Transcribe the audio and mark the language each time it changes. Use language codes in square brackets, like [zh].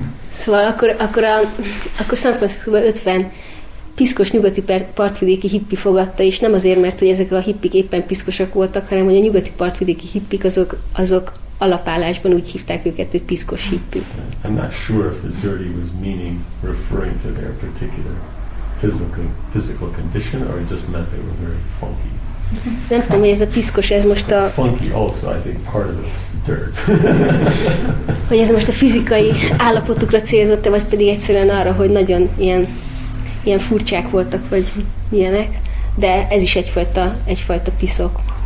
[hu] Szóval akkor San Francisco-ban 50 piszkos nyugati partvidéki hippi fogadta, és nem azért, mert hogy ezek a hippik éppen piszkosak voltak, hanem hogy a nyugati partvidéki hippik azok alapállásban úgy hívták őket, hogy piszkos hippi. [en] I'm not sure if the dirty was meaning referring to their particular physical condition, or it just meant they were very funky. [hu] Nem tudom, hogy ez a piszkos, ez most a... [en] Funky also, I think part of it was dirt. [hu] Hogy ez most a fizikai állapotukra célzott-e, vagy pedig egyszerűen arra, hogy nagyon ilyen furcsák voltak, vagy milyenek, de ez is egyfajta piszok.